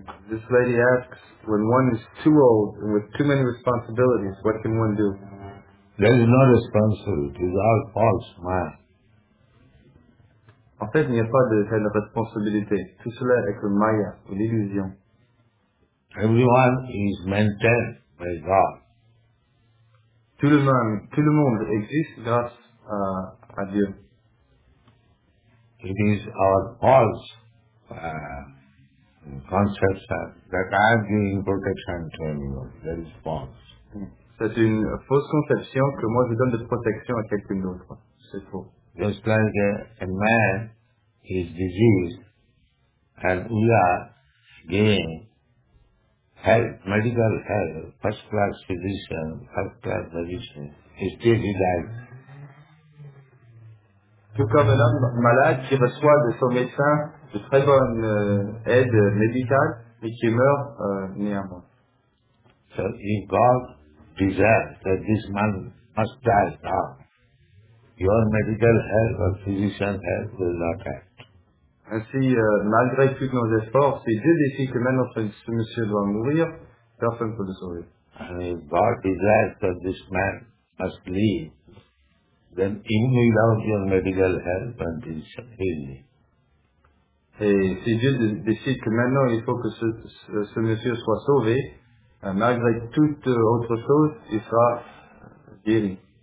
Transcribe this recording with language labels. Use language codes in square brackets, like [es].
[en] This lady asks, when one is too old and with too many responsibilities, what can one do? There is no responsibility, it's all false mind. [fr] En fait, il n'y a pas de telle responsabilité. Tout cela est comme Maya, ou l'illusion. [en] Everyone is maintained by God. [fr] Tout le monde existe grâce à Dieu. [en] It is our false conception that I am giving protection to anyone. That is false. [fr] C'est une fausse conception que moi je donne de protection à quelqu'un d'autre. C'est faux. [en] Just like a man is diseased and we are giving help, medical help, first class physician, he still is dead. [fr] Tout comme un homme malade qui reçoit de son médecin de très bonne aide médicale et qui meurt néanmoins. [en] So if God deserves that this man must die now, your medical help or physician help will not help. [fr] Ainsi, malgré tous nos efforts, si Dieu décide que maintenant ce monsieur doit mourir, personne ne peut le sauver. [en] And if God desires that this man must leave, then even without your medical help and his healing. [fr] Et si Dieu décide que maintenant il faut que ce monsieur soit sauvé, malgré toute autre chose, il sera guéri.